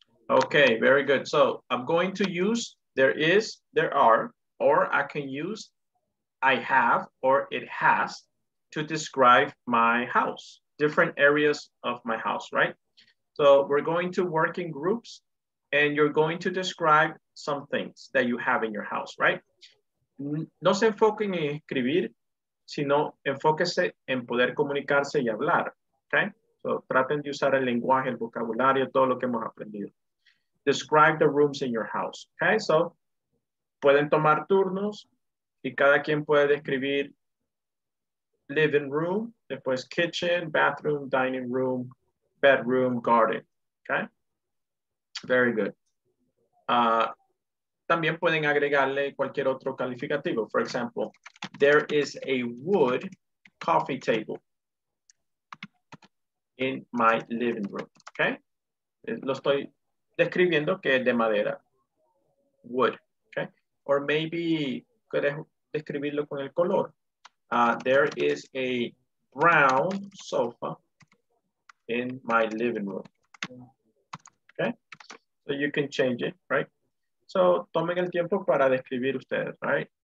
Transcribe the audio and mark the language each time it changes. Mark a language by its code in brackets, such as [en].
[en] Okay, very good. So I'm going to use there is, there are, or I can use I have or it has to describe my house, different areas of my house, right? So we're going to work in groups and you're going to describe some things that you have in your house, right? [es] No se enfoquen en escribir, sino enfóquese en poder comunicarse y hablar, okay? So traten de usar el lenguaje, el vocabulario, todo lo que hemos aprendido. [en] Describe the rooms in your house, okay? So [es] pueden tomar turnos y cada quien puede describir [en] living room, [es] después [en] kitchen, bathroom, dining room, bedroom, garden, okay? Very good. [es] También pueden agregarle cualquier otro calificativo. [en] For example, there is a wood coffee table in my living room. Okay? [es] Lo estoy describiendo que es de madera. Wood. Okay? [en] Or maybe, [es] ¿puedes describirlo con el color? [en] There is a brown sofa in my living room. Okay? So you can change it, right? [es] So, tomen el tiempo para describir ustedes, right?